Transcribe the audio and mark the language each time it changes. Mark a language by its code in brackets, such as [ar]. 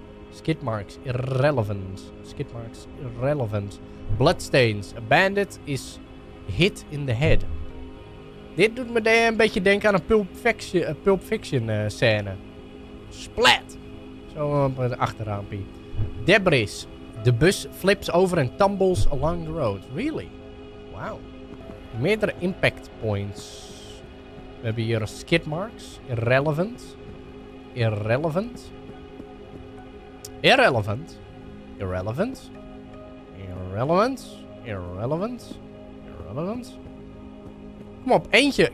[en] Skidmarks irrelevant. Skidmarks irrelevant. Bloodstains. A bandit is hit in the head. [nl] Dit doet me een beetje denken aan een Pulp Fiction scène. Splat. Zo op het achterraampje. [en] Debris. De bus flips over and tumbles along the road. Really? Wow. [nl] Meerdere [en] impact points. [nl] We hebben hier skidmarks. [en] Irrelevant. Irrelevant. Irrelevant. Irrelevant. Irrelevant. Irrelevant. Irrelevant. [nl] Kom op, eentje.